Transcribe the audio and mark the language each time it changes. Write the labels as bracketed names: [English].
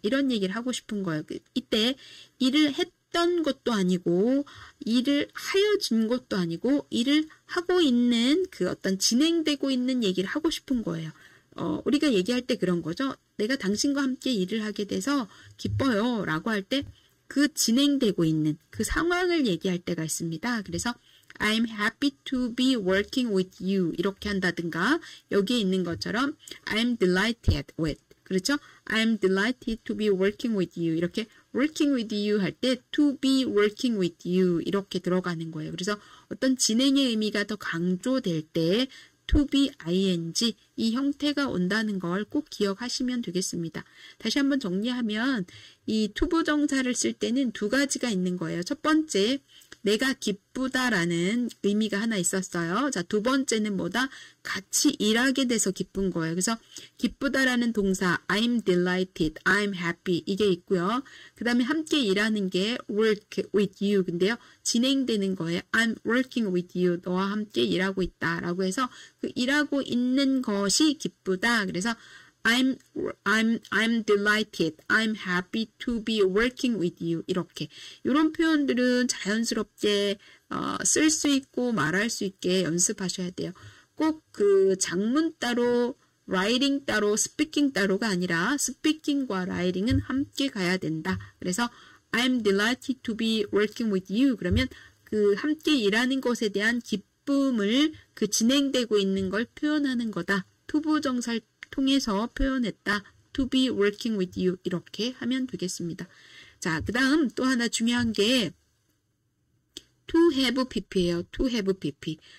[Korean] 이런 얘기를 하고 싶은 거예요. 이때 일을 했던 것도 아니고 일을 하여진 것도 아니고 일을 하고 있는 그 어떤 진행되고 있는 얘기를 하고 싶은 거예요. 우리가 얘기할 때 그런 거죠. 내가 당신과 함께 일을 하게 돼서 기뻐요. 라고 할 때, 그 진행되고 있는 그 상황을 얘기할 때가 있습니다. [English] 그래서, I'm happy to be working with you. [Korean] 이렇게 한다든가, 여기에 있는 것처럼, [English] I'm delighted with. [Korean] 그렇죠? [English] I'm delighted to be working with you. [Korean] 이렇게, [English] working with you [Korean] 할 때, [English] to be working with you. [Korean] 이렇게 들어가는 거예요. 그래서, 어떤 진행의 의미가 더 강조될 때, to be ing 이 형태가 온다는 걸꼭 기억하시면 되겠습니다. 다시 한번 정리하면 이 to 부정사를 쓸 때는 두 가지가 있는 거예요. 첫 번째, 내가 기쁘다라는 의미가 하나 있었어요. 자, 두 번째는 뭐다? 같이 일하게 돼서 기쁜 거예요. 그래서 기쁘다라는 동사 [English] I'm delighted, I'm happy [Korean] 이게 있고요. 그다음에 함께 일하는 게 [English] work with you [Korean] 근데요. 진행되는 거예요. [English] I'm working with you. [Korean] 너와 함께 일하고 있다라고 해서 그 일하고 있는 것이 기쁘다. [English] 그래서 I'm delighted. I'm happy to be working with you. [Korean] 이렇게 이런 표현들은 자연스럽게 쓸수 있고 말할 수 있게 연습하셔야 돼요. 꼭그 장문 따로, 라이팅 따로, 스피킹 따로가 아니라 스피킹과 라이팅은 함께 가야 된다. [English] 그래서 I'm delighted to be working with you. [Korean] 그러면 그 함께 일하는 것에 대한 기쁨을 그 진행되고 있는 걸 표현하는 거다. 투부정사 통해서 표현했다. [English] To be working with you. [Korean] 이렇게 하면 되겠습니다. 자, 그 다음 또 하나 중요한 게 to have PP예요. To have PP.